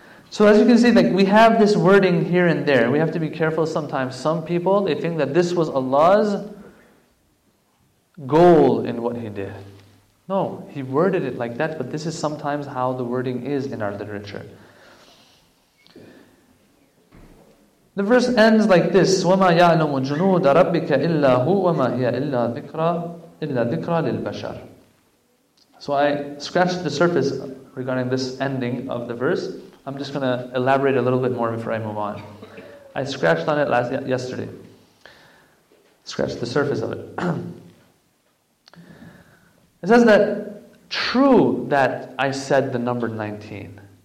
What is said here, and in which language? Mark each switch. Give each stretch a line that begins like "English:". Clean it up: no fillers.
English: So as you can see, like, we have this wording here and there. We have to be careful sometimes. Some people, they think that this was Allah's goal in what He did. No, He worded it like that, but this is sometimes how the wording is in our literature. The verse ends like this,
Arabic: وَمَا يَعْلَمُ جُنُودَ رَبِّكَ إِلَّا هُوَ وَمَا هِيَ إِلَّا ذِكْرَ لِلْبَشَرِ.
English: So I scratched the surface regarding this ending of the verse. I'm just going to elaborate a little bit more before I move on. I scratched on it yesterday. Scratched the surface of it. It says that, true that I said the number 19.